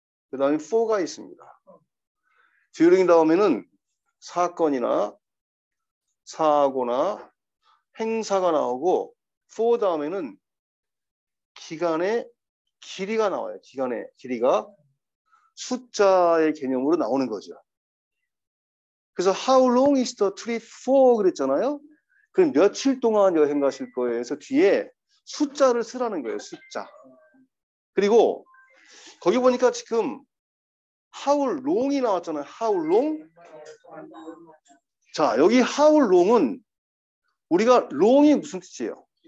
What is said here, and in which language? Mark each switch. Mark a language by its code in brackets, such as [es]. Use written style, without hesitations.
[ko] 그 다음에 for가 있습니다. during 다음에는 사건이나 사고나 행사가 나오고 for 다음에는 기간의 길이가 나와요. 기간의 길이가 숫자의 개념으로 나오는 거죠. 그래서 [en] how long is the trip for [ko] 그랬잖아요. 그럼 며칠 동안 여행 가실 거예요. 그래서 뒤에 숫자를 쓰라는 거예요. 숫자. 그리고 거기 보니까 지금 how long이 나왔잖아요. [en] how long. [ko] 자, 여기 how long은 우리가 long이 무슨 뜻이에요?